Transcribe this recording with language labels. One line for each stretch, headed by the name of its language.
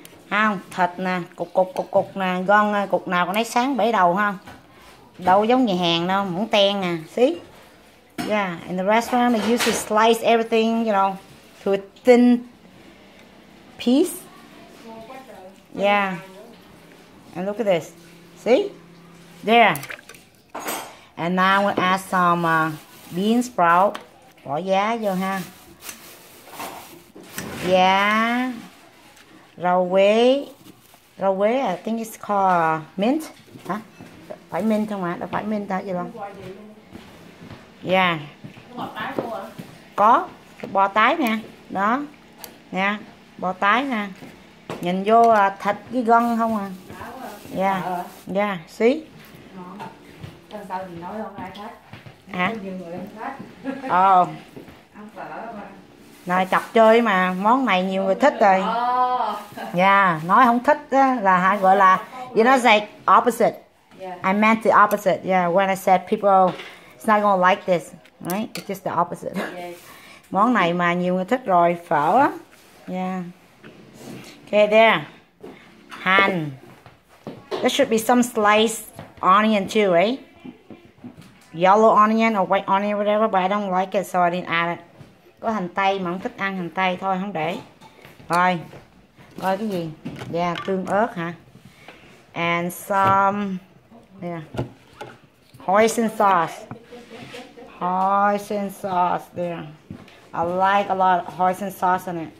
Vietnamese: Không, thịt nè, cục nè, gân nè, cục nào còn lấy sáng bể đầu không? Đâu giống nhà hàng đâu, muốn ten nè, see?
English: Yeah, in the restaurant they used to slice everything, you know, to a thin piece. Yeah, and look at this, see? There. And now we add some bean sprout.
Vietnamese: Bỏ giá vô ha. Yeah. Rau quế,
English: I think it's called mint.
Vietnamese: Hả? Phải mint không ạ? Phải mint hả? Gì không? Yeah. Có bò tái không ạ? Có. Bò tái nè. Đó. Nè. Bò tái nè. Nhìn vô thịt với gân không à?
English: Yeah. Yeah. See? Sao
Vietnamese: gì nói không ai thích? Hả? Nhiều người không thích. Ồ. Ăn phở mà. Này chọc chơi mà, món này nhiều người thích rồi. Yeah, nói không thích đó, là hay gọi là
English: you know, it's like opposite. Yeah. I meant the opposite. Yeah, when I said people it's not gonna like this, right? It's just the opposite. Yeah.
Vietnamese: Món này mà nhiều người thích rồi, phở á.
English: Yeah. Okay, there. Han. There should be some sliced onion too, right? Yellow onion or white onion whatever, but I don't like it so I didn't add it.
Vietnamese: Có hành tây mà không thích ăn hành tây thôi không để. Rồi. Coi cái gì? Yeah, tương ớt hả?
English: And some yeah. Hoisin sauce. Hoisin sauce there. I like a lot of hoisin sauce in it.